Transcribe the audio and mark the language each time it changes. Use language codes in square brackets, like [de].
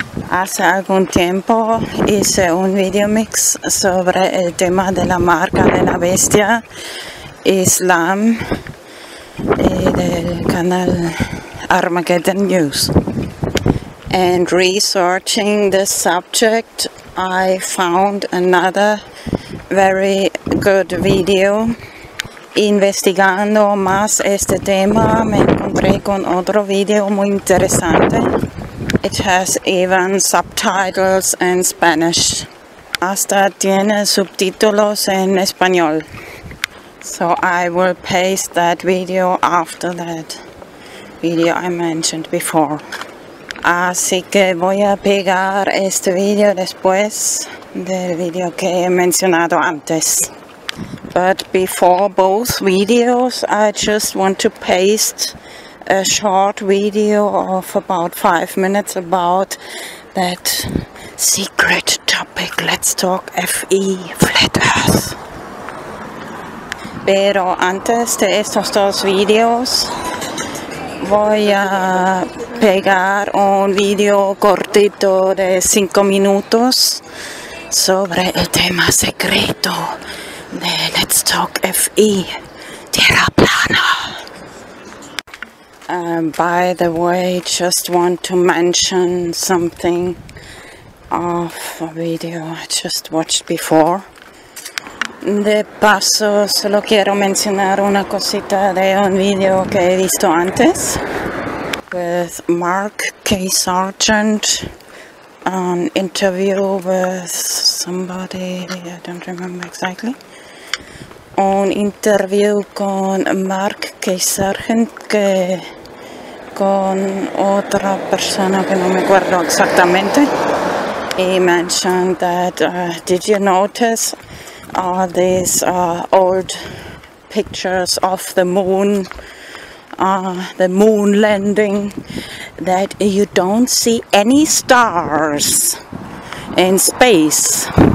[es] Hace algún tiempo hice un VideoMix sobre el tema de la marca de la bestia Islam y del canal Armageddon News. [en] And researching the subject, I found another very good video. [es] Investigando más este tema, me encontré con otro video muy interesante. [en] It has even subtitles in Spanish. [es] Hasta tiene subtítulos en español. [en] So I will paste that video after that video I mentioned before. [es] Así que voy a pegar este video después del video que he mencionado antes. [en] But before both videos, I just want to paste a short video of about 5 minutes about that secret topic. Let's talk FE, Flat Earth. [es] Pero antes de estos dos videos, voy a pegar un video cortito de 5 minutos sobre el tema secreto de [en] Let's Talk FE, [es] Tierra Plana. [en] By the way, just want to mention something of a video I just watched before. [es] De paso, solo quiero mencionar una cosita de un video que he visto antes [en] with Mark K. Sargent, an interview with somebody, I don't remember exactly. [es] Un [en] interview [es] con Mark K. Sargent, que con otra persona que no me acuerdo exactamente. He mentioned that, did you notice all these old pictures of the moon, the moon landing, that you don't see any stars in space.